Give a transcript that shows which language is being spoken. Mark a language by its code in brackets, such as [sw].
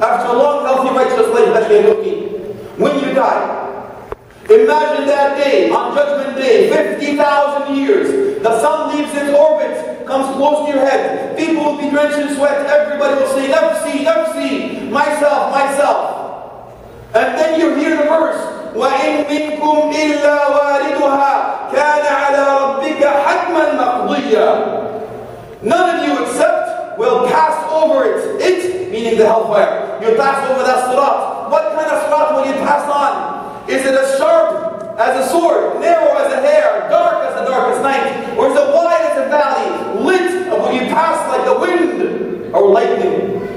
[en] After a long, healthy, righteous life, that's what you're looking. When you die, imagine that day, on judgment day, 50,000 years, the sun leaves its orbit, comes close to your head. People will be drenched in sweat. Everybody will say, Nafsi, Nafsi, myself, myself. And then you hear the verse, [ar] وَإِن مِنْكُمْ إِلَّا وَارِدُهَا كَانَ عَلَىٰ رَبِّكَ حَتْمًا مَقْضِيًّا. [en] None of you except will pass over it. It, meaning the hellfire. You pass over that surat. What kind of surat will you pass on? Is it as sharp as a sword, narrow as a hair, dark as the darkest night, or is it wide as a valley, lit, or will you pass like the wind or lightning?